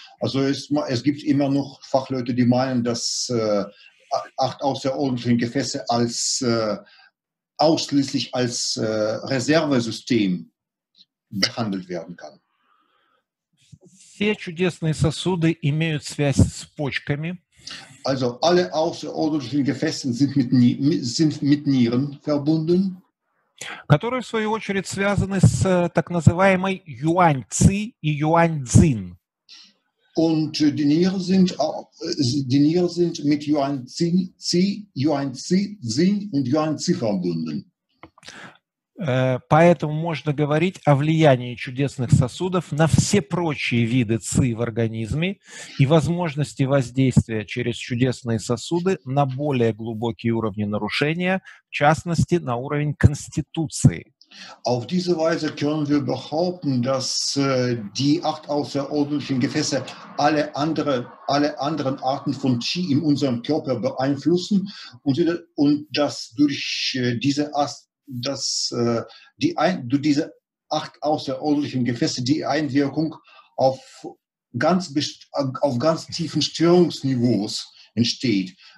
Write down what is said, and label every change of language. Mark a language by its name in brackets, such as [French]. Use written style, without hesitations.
[German] Also es gibt immer noch Fachleute, die meinen, dass acht außerordentlichen Gefäße als ausschließlich als Reservesystem behandelt werden kann. [Russian] Все чудесные сосуды имеют связь с почками. [German] Also alle außerordentlichen Gefäße sind mit Nieren verbunden, [Russian] которые, в свою очередь, связаны с так называемой юань-ци и юань-цзин. [German] Und die Nieren sind mit Yuan-Zi-Zin und Yuan-Zi verbunden. [Russian] Поэтому можно говорить о влиянии чудесных сосудов на все прочие виды ци в организме и возможности воздействия через чудесные сосуды на более глубокие уровни нарушения, в частности, на уровень конституции. [German] Auf diese Weise können wir behaupten, dass die acht außerordentlichen Gefäße alle anderen Arten von Qi in unserem Körper beeinflussen und dass durch diese acht außerordentlichen Gefäße die Einwirkung auf ganz tiefen Störungsniveaus entsteht.